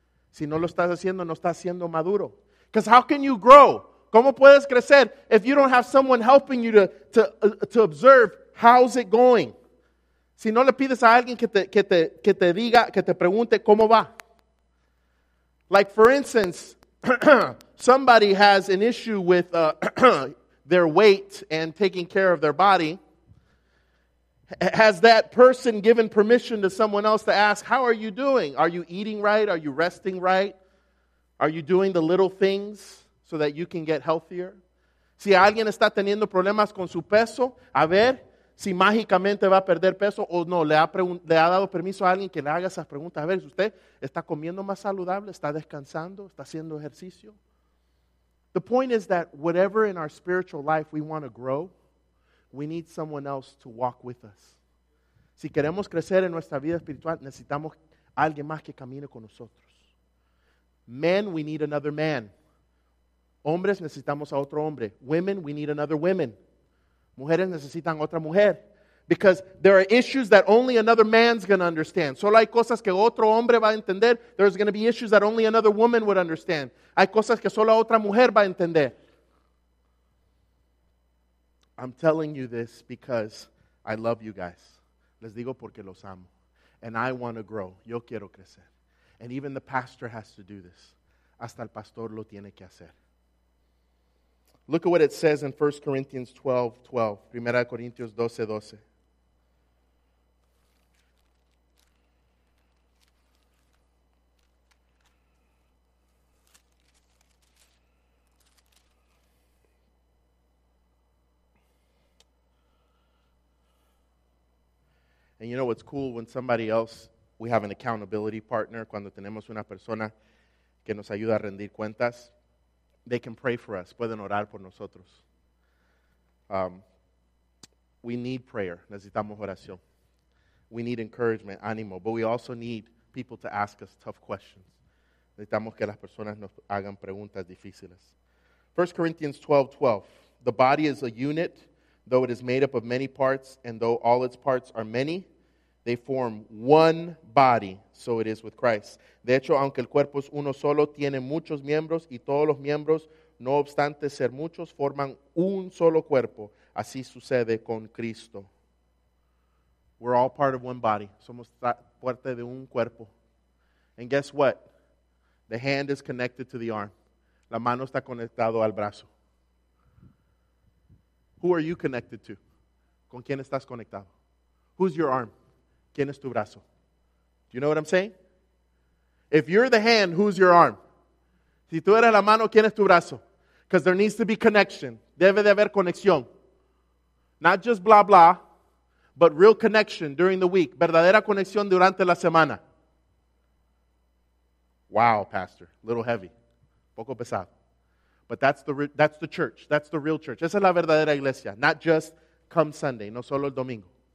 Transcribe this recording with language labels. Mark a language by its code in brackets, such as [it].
[es] Si no lo estás haciendo, no estás siendo maduro. [en] Because how can you grow? [es] ¿Cómo puedes crecer [en] if you don't have someone helping you to observe how's it going? [es] Si no le pides a alguien que te diga, que te pregunte cómo va. [en] Like for instance, somebody has an issue with their weight and taking care of their body. Has that person given permission to someone else to ask, how are you doing? Are you eating right? Are you resting right? Are you doing the little things so that you can get healthier? [es] Si alguien está teniendo problemas con su peso, a ver si mágicamente va a perder peso o no. Le ha dado permiso a alguien que le haga esas preguntas. A ver, si usted está comiendo más saludable, está descansando, está haciendo ejercicio. [en] The point is that whatever in our spiritual life we want to grow, we need someone else to walk with us. [es] Si queremos crecer en nuestra vida espiritual, necesitamos alguien más que camine con nosotros. [en] Men, we need another man. [es] Hombres, necesitamos a otro hombre. [en] Women, we need another woman. [es] Mujeres necesitan otra mujer. [en] Because there are issues that only another man's going to understand. [es] Solo hay cosas que otro hombre va a entender. [en] There's going to be issues that only another woman would understand. [es] Hay cosas que solo otra mujer va a entender. [en] I'm telling you this because I love you guys. [es] Les digo porque los amo. [en] And I want to grow. [es] Yo quiero crecer. [en] And even the pastor has to do this. [es] Hasta el pastor lo tiene que hacer. [en] Look at what it says in 1 Corinthians 12, 12. [es] Primera Corintios 12, 12. [en] And you know what's cool when somebody else, we have an accountability partner, [es] cuando tenemos una persona que nos ayuda a rendir cuentas, [en] they can pray for us. [es] Pueden orar por nosotros. [en] We need prayer. [es] Necesitamos oración. [en] We need encouragement, ánimo. But we also need people to ask us tough questions. [es] Necesitamos que las personas nos hagan preguntas difíciles. [en] 1 Corinthians 12, 12. The body is a unit. Though it is made up of many parts, and though all its parts are many, they form one body. So it is with Christ. [es] De hecho, aunque el cuerpo es uno solo, tiene muchos miembros, y todos los miembros, no obstante ser muchos, forman un solo cuerpo. Así sucede con Cristo. [en] We're all part of one body. [es] Somos parte de un cuerpo. [en] And guess what? The hand is connected to the arm. [es] La mano está conectado al brazo. [en] Who are you connected to? [es] ¿Con quién estás conectado? [en] Who's your arm? [es] ¿Quién es tu brazo? [en] Do you know what I'm saying? If you're the hand, who's your arm? [es] Si tú eres la mano, ¿quién es tu brazo? [en] Because there needs to be connection. [es] Debe de haber conexión. [en] Not just blah, blah, but real connection during the week. [es] Verdadera conexión durante la semana. [en] Wow, pastor. A little heavy. [es] Poco pesado. [en] But that's the church. That's the real church. [es] Esa es la verdadera iglesia. [en] Not just come Sunday. [es] No solo el domingo.